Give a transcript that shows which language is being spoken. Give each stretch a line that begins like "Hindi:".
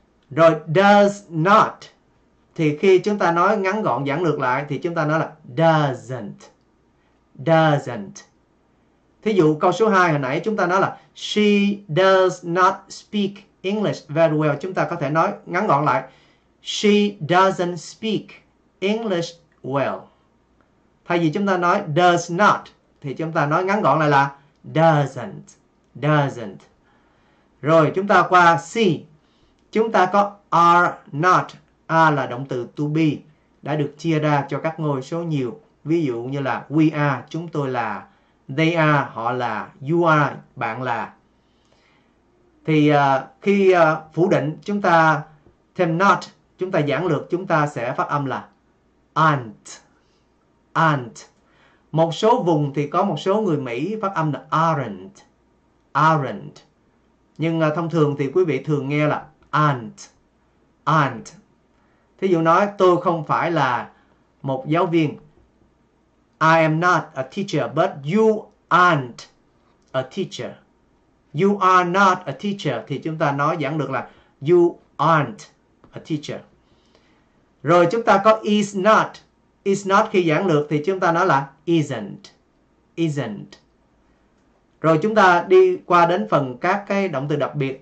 Vietnamese: Rồi does not, thì khi chúng ta nói ngắn gọn giản lược lại, thì chúng ta nói là doesn't. Doesn't. Thí dụ câu số 2 hồi nãy chúng ta nói là
English: she does not speak English very well.
Vietnamese: Chúng ta có thể nói ngắn gọn lại.
English: She doesn't speak English well.
Vietnamese: Thay vì chúng ta nói does not, thì chúng ta nói ngắn gọn lại là doesn't. Doesn't. Rồi chúng ta qua C. Chúng ta có are not. A là động từ to be. đã được chia ra cho các ngôi số nhiều. Ví dụ như là
English: we are,
Vietnamese: chúng tôi là,
English: they are,
Vietnamese: họ là,
English: you are,
Vietnamese: bạn là. Thì khi phủ định chúng ta thêm not, chúng ta giản lược chúng ta sẽ phát âm là aren't, aren't. Một số vùng thì có một số người Mỹ phát âm là aren't, aren't. Nhưng thông thường thì quý vị thường nghe là aren't, aren't. Thí dụ nói tôi không phải là một giáo viên.
English: I am not a teacher, but you aren't a teacher. You are not a teacher.
Vietnamese: Thì chúng ta nói giản lược là
English: you aren't a teacher.
Vietnamese: Rồi chúng ta có is not. Is not khi giản lược thì chúng ta nói là isn't. Isn't. Rồi chúng ta đi qua đến phần các cái động từ đặc biệt.